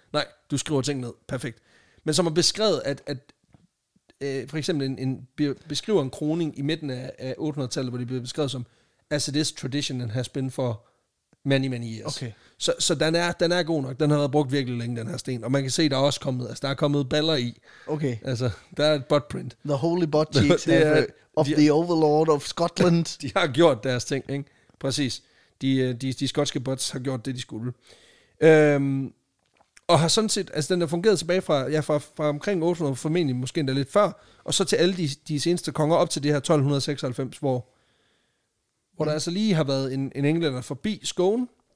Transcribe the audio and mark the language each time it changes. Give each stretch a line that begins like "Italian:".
Danish: Nej, du skriver ting ned. Perfekt. Men som har beskrevet, at for eksempel en beskriver en kroning i midten af 800-tallet, hvor det bliver beskrevet som,
English: as it is tradition and has been for many, many years.
Danish: Okay. Så den er god nok. Den har været brugt virkelig længe, den her sten. Og man kan se, der er også kommet, altså, der er kommet baller i. Okay. Altså, der er et butt print.
English: The holy butt cheeks of the overlord of Scotland.
Danish: De har gjort deres ting, ikke? Præcis. De skotske bots har gjort det, de skulle. Og har sådan set, altså den har fungeret tilbage fra omkring 800, formentlig måske endda lidt før, og så til alle de seneste konger op til det her 1296, hvor der altså lige har været en englænder forbi Skåne,